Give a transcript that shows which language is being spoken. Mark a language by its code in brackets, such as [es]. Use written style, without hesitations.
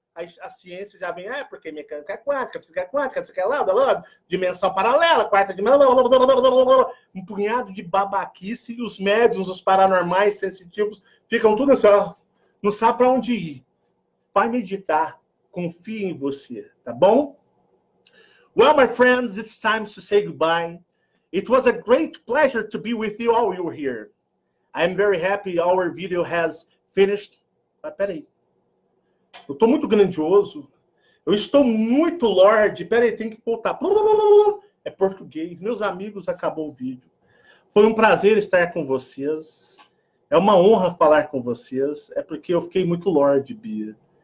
[pt] A ciência já vem, porque mecânica é quântica, física é quântica, não sei o que é lá, dimensão paralela, quarta dimensão, um punhado de babaquice, e os médiuns, os paranormais, sensitivos, ficam tudo assim, ó, não sabe para onde ir. Vai meditar, confia em você, tá bom? [en] Well, my friends, it's time to say goodbye. It was a great pleasure to be with you all you're here. I'm very happy our video has finished. [pt] Mas peraí. Eu estou muito grandioso. Eu estou muito Lorde. Peraí, tem que voltar. É português. Meus amigos, acabou o vídeo. Foi um prazer estar com vocês. É uma honra falar com vocês. É porque eu fiquei muito Lorde, Bia.